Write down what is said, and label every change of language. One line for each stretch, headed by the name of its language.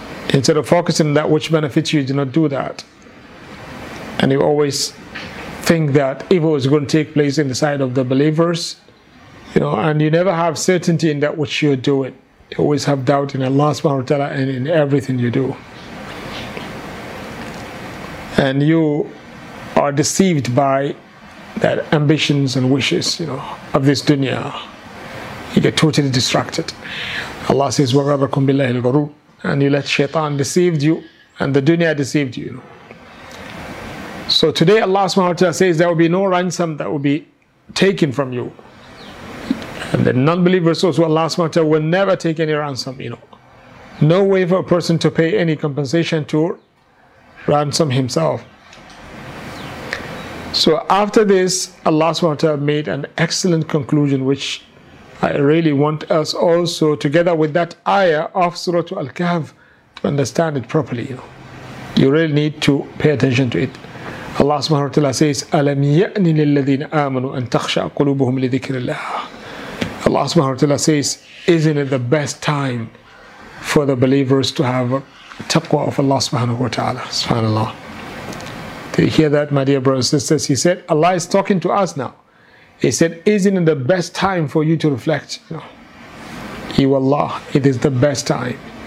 English: Instead of focusing on that which benefits you, do not do that. And you always think that evil is going to take place in the side of the believers, you know, and you never have certainty in that which you're doing. You always have doubt in Allah subhanahu wa ta'ala and in everything you do. And you are deceived by that ambitions and wishes, you know, of this dunya. You get totally distracted. Allah says,
Arabic: وَغَرَّكُمْ بِاللَّهِ الْغُرُورُ.
English: And you let shaitan deceived you, and the dunya deceived you. So today Allah subhanahu wa ta'ala says there will be no ransom that will be taken from you. And the non-believers also, Allah subhanahu wa ta'ala will never take any ransom, you know. No way for a person to pay any compensation to ransom himself. So after this, Allah subhanahu wa ta'ala made an excellent conclusion, which I really want us also, together with that ayah of Surah Al-Kahf, to understand it properly. You know, you really need to pay attention to it. Allah subhanahu wa ta'ala says,
Arabic: أَلَمْ يَأْنِ لِلَّذِينَ آمَنُوا أَن تَخْشَعَ قُلُوبُهُمْ لِذِكْرِ اللَّهِ.
English: Allah subhanahu wa ta'ala says, isn't it the best time for the believers to have taqwa of Allah subhanahu wa ta'ala? SubhanAllah. Did you hear that, my dear brothers and sisters? He said, Allah is talking to us now. He said, isn't it the best time for you to reflect? No. You Allah, it is the best time.